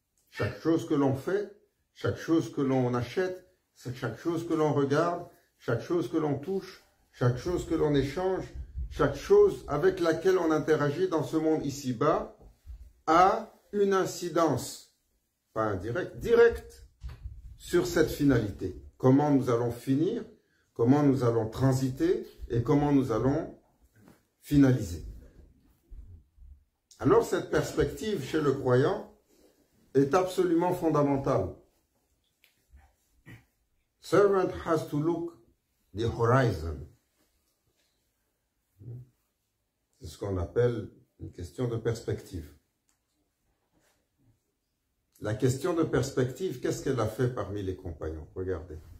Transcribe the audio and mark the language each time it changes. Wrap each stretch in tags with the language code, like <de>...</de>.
<fr>Chaque chose que l'on fait, chaque chose que l'on achète, chaque chose que l'on regarde, chaque chose que l'on touche, chaque chose que l'on échange, chaque chose avec laquelle on interagit dans ce monde ici-bas, a une incidence, pas indirecte, directe, sur cette finalité. Comment nous allons finir, comment nous allons transiter et comment nous allons finaliser. Alors cette perspective chez le croyant est absolument fondamentale.</fr> <en>Servant has to look the horizon.</en> <fr>C'est ce qu'on appelle une question de perspective. La question de perspective, qu'est-ce qu'elle a fait parmi les compagnons? Regardez.</fr>